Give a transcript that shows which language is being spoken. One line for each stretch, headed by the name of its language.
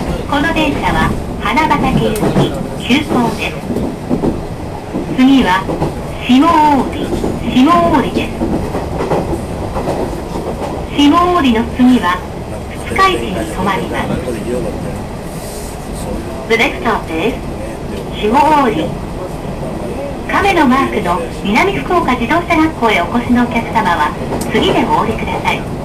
Japanese: この電車は花畑行き急行です。次は下大織です。下大織の次は二日市に停まります。
English: The next stop is 下大織。
Japanese: 亀のマークの南福岡自動車学校へお越しのお客様は次でお降りください。